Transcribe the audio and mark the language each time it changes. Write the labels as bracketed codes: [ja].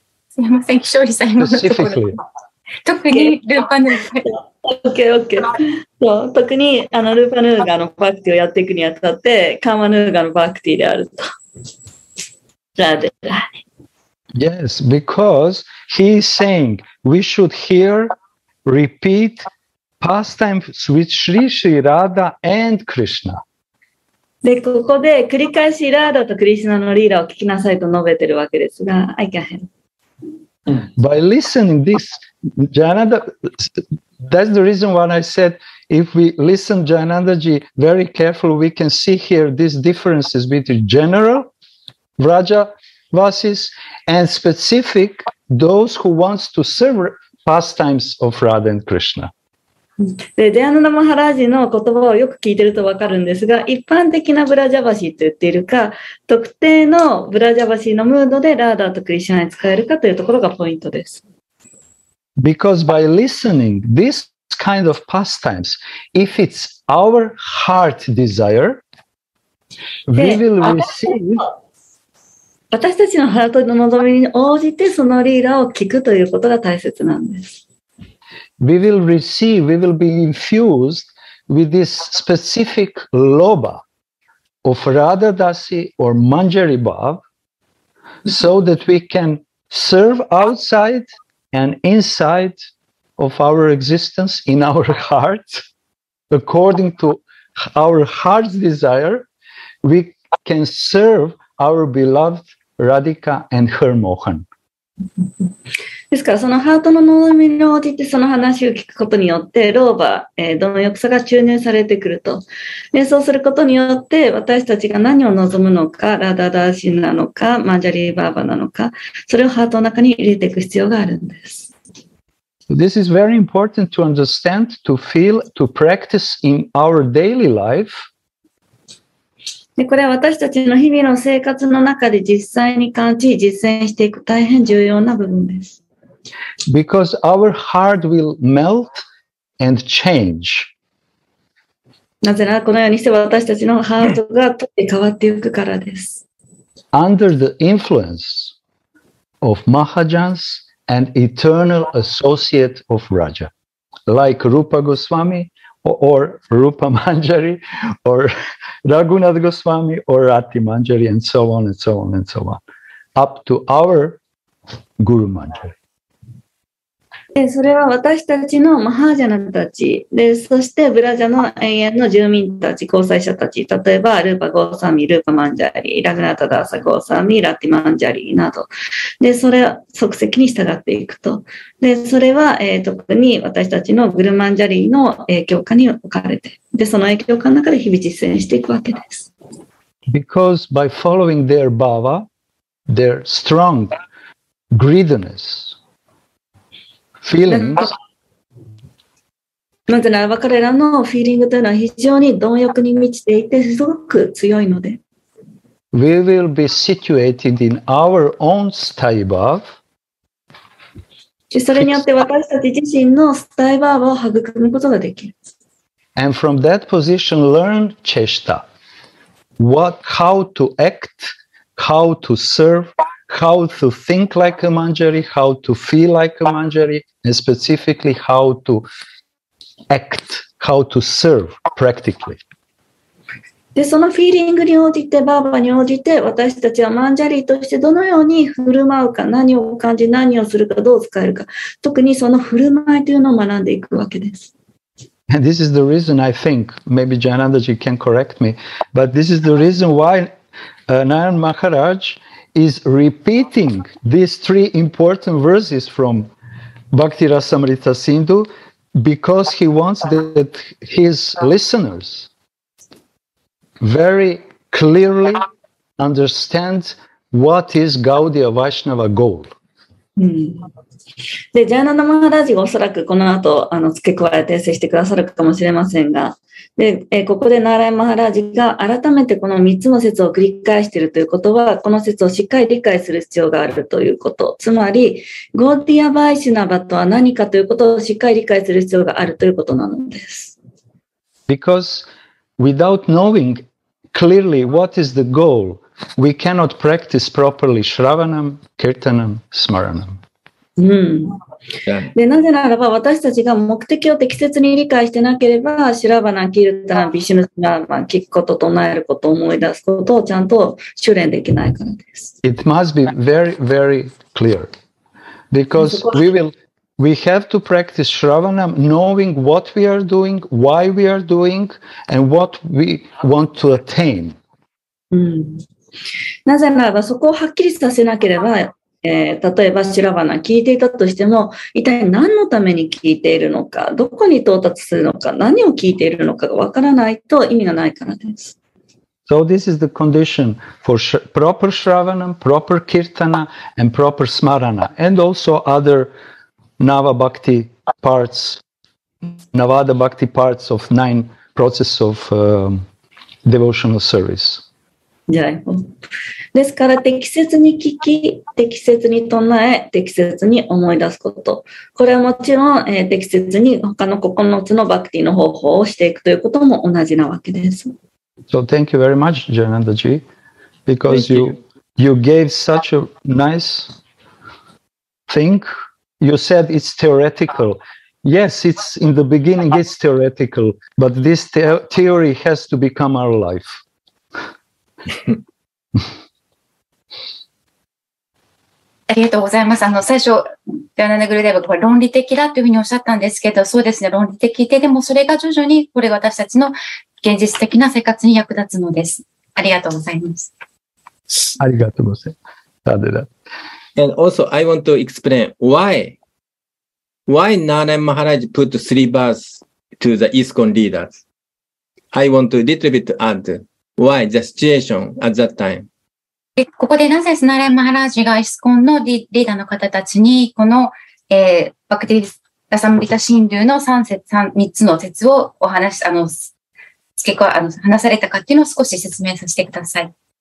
[ja] すみません、気象理さんのところ。特に、ルーパヌーガ。 [en] Okay. [ja] 特にあの、ルーパヌーガのバクティをやっていくにあたって、カーマヌーガのバクティであると。 [en] Yes, because he is saying we should hear, repeat pastimes with Sri Sri Radha and Krishna. [ja] で、ここで繰り返しラーダとクリシナのリーラを聞きなさいと述べてるわけですが、 [en] I can help. By listening this, Jayananda, that's the reason why I said if we listen Jayanandaji very carefully, we can see here these differences between general Vraja. Vasis and specific those who wants to serve pastimes of Radha and Krishna. [ja] で、デアナナマハラジの言葉をよく聞いてるとわかるんですが、一般的なブラジャバシと言っているか、特定のブラジャバシのムードでラーダとクリシナに使えるかというところがポイントです。 [en] Because by listening this kind of pastimes, if it's our heart desire, we will receive. [ja] 私たちのハートの望みに応じてそのリーラを聞くということが大切なんです。 [en] We will receive, we will be infused with this specific loba of Radha Dasi or Manjari Bhav so that we can serve outside and inside of our existence in our heart according to our heart's desire, we can serve our beloved. Radhika and her Mohan. [ja] ですからそのハートの望みに応じてその話を聞くことによって老婆、貪欲さが注入されてくると、ね、そうすることによって私たちが何を望むのかラダダーシンなのかマンジャリーバーバなのかそれをハートの中に入れていく必要があるんです。 [en] This is very important to understand, to feel, to practice in our daily life [ja] でこれは私たちの日々の生活の中で実際に感じ、実践していく大変重要な部分です。 [en] Because our heart will melt and change. [ja] なぜならこのようにして私たちのハートが変わっていくからです。 [en] under the influence of Mahajans and eternal associate of Raja, like Rupa Goswami or Rupa Manjari or Raghunath Goswami or Rati Manjari and so on and so on and so on, up to our Guru Manjari. [ja] でそれは私たちのマハージャナたちで、そしてブラジャの永遠の住民たち、交際者たち、例えばルーパ・ゴーサミ、ルーパ・マンジャリ、ラグナタ・ダーサ・ゴーサミ、ラティ・マンジャリなど、でそれは即席に従っていくと、でそれは、特に私たちのグルマンジャリの影響下に置かれて、でその影響下の中で日々実践していくわけです。 [en] Because by following their bhava, their strong greediness、 [ja] なぜならば彼らのフィーリングというのは非常に貪欲に満ちていてすごく強いので。 [en] We will be situated in our own sthayi bhava. [ja] それによって私たち自身のスタイバーを育むことができる。 [en] And from that position learn cheshta. What, how to act, how to serve. How to think like a Manjari, how to feel like a Manjari, and specifically how to act, how to serve practically. [ja] で、そのフィーリングに応じて、バーバに応じて、私たちはマンジャリとしてどのように振る舞うか、何を感じ、何をするか、どう使えるか、特にその振る舞いというのを学んでいくわけです。 [en] And this is the reason I think, maybe Jainandaji can correct me, but this is the reason why、Narayan Maharaj. Is repeating these three important verses from Bhakti Rasamrita Sindhu because he wants that his listeners very clearly understand what is Gaudiya Vaishnava goal.、 [ja] で、ジャーナンダ・マハラージがおそらくこの後付け加えて訂正してくださるかもしれませんが、でここでナーライマハラージが改めてこの3つの説を繰り返しているということは、この説をしっかり理解する必要があるということ、つまり、ゴーディア・バイシュナバとは何かということをしっかり理解する必要があるということなのです。 [en] Because without knowing clearly what is the goal, we cannot practice properly Shravanam, Kirtanam, Smaranam. [ja] でなぜならば私たちが目的を適切に理解してなければシラバナ、キルタン、ビシュヌスラバ、聞くこと、唱えること、思い出すことをちゃんと修練できないからです。 [en] It must be very, very clear. Because we have to practice Shravanam knowing what we are doing, why we are doing, and what we want to attain. [ja] なぜならばそこをはっきりさせなければ例えばシラバナ聞いていたとしても一体何のために聞いているのかどこに到達するのか何を聞いているのかがわからないと意味がないからです。 [en] So this is the condition for proper Shravanam, proper Kirtana and proper Smarana and also other Navabhakti parts, Navada Bhakti parts of nine process of、devotional service. [ja] ですから適切に聞き、適切に唱え、適切に思い出すこと。これはもちろん、適切に他の9つのバクティの方法をしていくということも同じなわけです。 [en] So thank you very much, Jainandaji, because you gave such a nice thing. You said it's theoretical. Yes, it's in the beginning, it's theoretical, but this theory has to become our life. [ja] ありがとうございます。最初、ジャーナナグルデーブが論理的だというふうにおっしゃったんですけど、そうですね、論理的で、でもそれが徐々に、これが私たちの現実的な生活に役立つのです。ありがとうございます。ありがとうございます。ただだ。 [en] And also, I want to explain why Narayan Maharaj put three bars to the ISKCON leaders. I want to a little bit add. Why the situation at that time? [ja] ここでなぜナラヤン・マハラージがイスコンのリーダーの方たちにこの、バクティ・ラサムリタ・シンドゥの3つの説をお話し、付け加え、話されたかっていうのを少し説明させてください。